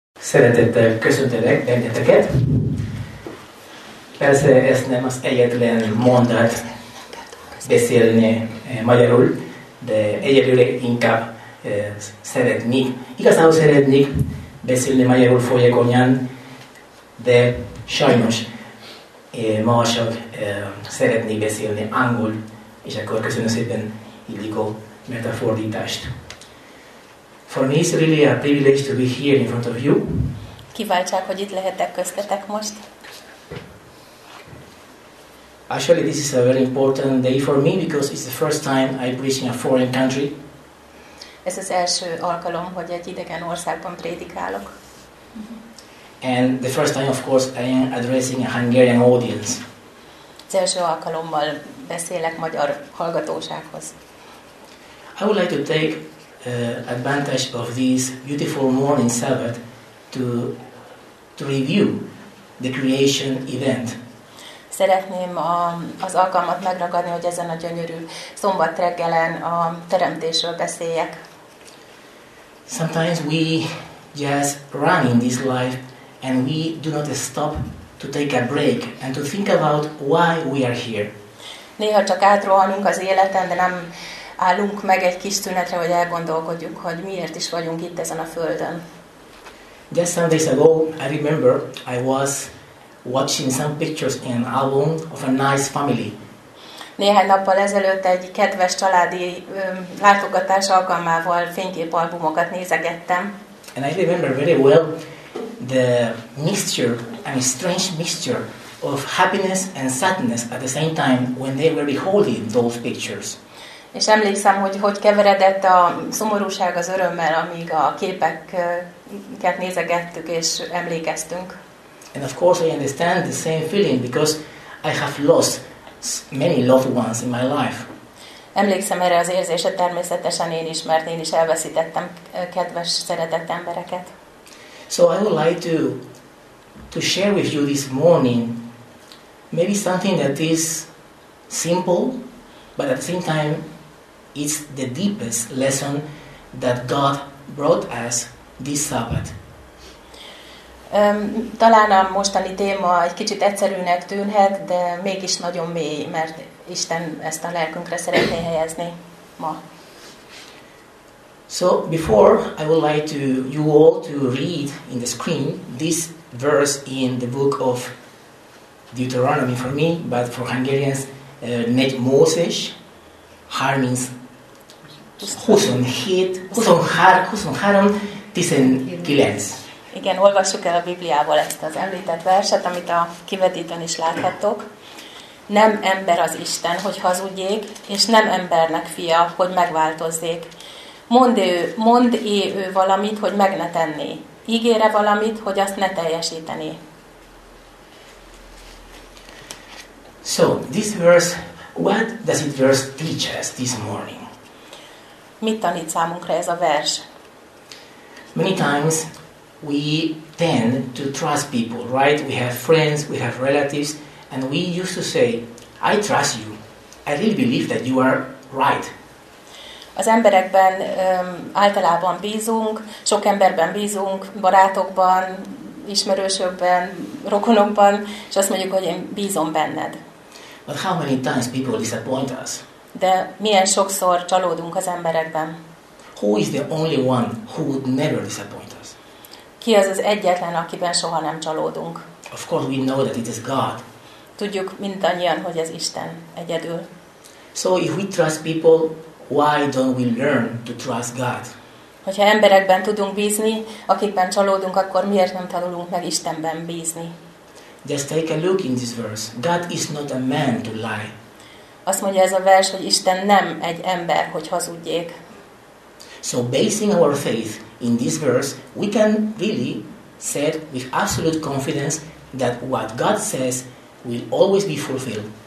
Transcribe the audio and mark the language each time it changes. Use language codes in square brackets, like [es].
[hu] Szeretettel köszöntelek benneteket. Persze ez nem az egyetlen mondat beszélni magyarul, de egyelőre inkább szeretnék beszélni magyarul folyékonyan, de sajnos ma csak szeretnék beszélni angol, és akkor köszönöm szépen illegal metafordítást. [en] For me, it's really a privilege to be here in front of you. [hu] Kiváltság, hogy itt lehetek köztetek most. [en] Actually, this is a very important day for me because it's the first time I preach in a foreign country. [hu] Ez az első alkalom, hogy egy idegen országban prédikálok. [en] And the first time, of course, I am addressing a Hungarian audience. [hu] Az első alkalommal beszélek magyar hallgatósághoz. [en] I would like to take advantage of this beautiful morning Sabbath to review the creation event. [hu] Szeretném az alkalmat megragadni, hogy ezen a gyönyörű szombat reggelen a teremtésről beszéljek. [en] Sometimes we just run in this life and we do not stop to take a break and to think about why we are here. [hu] Néha csak átrohanunk az életen, de nem állunk meg egy kis tünetre, hogy elgondolkodjuk, hogy miért is vagyunk itt ezen a földön. [en] Just some days ago, I remember I was watching some pictures in an album of a nice family. [hu] Néhány nappal ezelőtt egy kedves családi látogatás alkalmával fényképalbumokat nézegettem. [en] And I remember very well the mixture, I mean strange mixture of happiness and sadness at the same time when they were beholding those pictures. [hu] És emlékszem, hogy keveredett a szomorúság az örömmel, amíg a képeket nézegettük és emlékeztünk. [en] And of course I understand the same feeling because I have lost many loved ones in my life. [hu] Emlékszem erre az érzésre természetesen én is, mert én is elveszítettem kedves, szeretett embereket. [en] So I would like to share with you this morning maybe something that is simple, but at the same time it's the deepest lesson that God brought us this Sabbath. [hu] Talán a mostani téma egy kicsit egyszerűnek tűnhet, de mégis nagyon mély, mert Isten ezt a lelkünkre szeretné helyezni ma. [en] So before I would like to you all to read in the screen this verse in the book of Deuteronomy for me, but for Hungarians, Nagy Mózes, Har means 23:19. [hu] Igen, olvassuk el a Bibliából ezt az említett verset, amit a kivetítőn is láthattok. Nem ember az Isten, hogy hazudjék, és nem embernek fia, hogy megváltozzék. Mondd ő valamit, hogy meg ne tenné. Ígére valamit, hogy azt ne teljesítené. [en] So, this verse, what does it verse teach us this morning? [hu] Mit tanít számunkra ez a vers? [en] Many times we tend to trust people, right? We have friends, we have relatives, and we used to say, I trust you. I really believe that you are right. [hu] Az emberekben általában bízunk, sok emberben bízunk, barátokban, ismerősökben, rokonokban, és azt mondjuk, hogy én bízom benned. [en] But how many times people disappoint us? [hu] De milyen sokszor csalódunk az emberekben? [en] Who is the only one who would never disappoint us? [hu] Ki az az egyetlen, akiben soha nem csalódunk? [en] Of course we know that it is God. [hu] Tudjuk mindannyian, hogy ez Isten egyedül. [en] So if we trust people, why don't we learn to trust God? [hu] Hogyha emberekben tudunk bízni, akikben csalódunk, akkor miért nem tanulunk meg Istenben bízni? [en] Just take a look in this verse. God is not a man to lie. [hu] Azt mondja ez a vers, hogy Isten nem egy ember, hogy hazudjék. [en] So basing our faith in this verse, we can really say with absolute confidence that what God says will always be fulfilled.